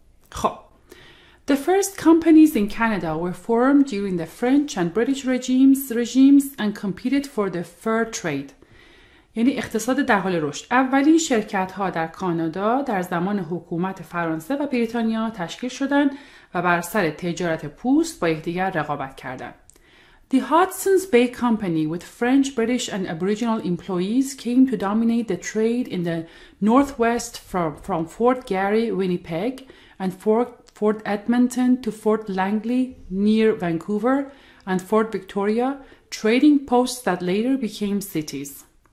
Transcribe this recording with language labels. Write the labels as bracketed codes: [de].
[en] خب The first companies in Canada were formed during the French and British regimes and competed for the fur trade. [fa] یعنی اقتصاد در حال رشد. اولین شرکت ها در کانادا در زمان حکومت فرانسه و بریتانیا تشکیل شدند و بر سر تجارت پوست با یکدیگر رقابت کردند. [en] The Hudson's Bay Company with French, British and Aboriginal employees came to dominate the trade in the northwest from Fort Garry, Winnipeg and Fort Edmonton to Fort Langley near Vancouver and Fort Victoria, trading posts that later became cities.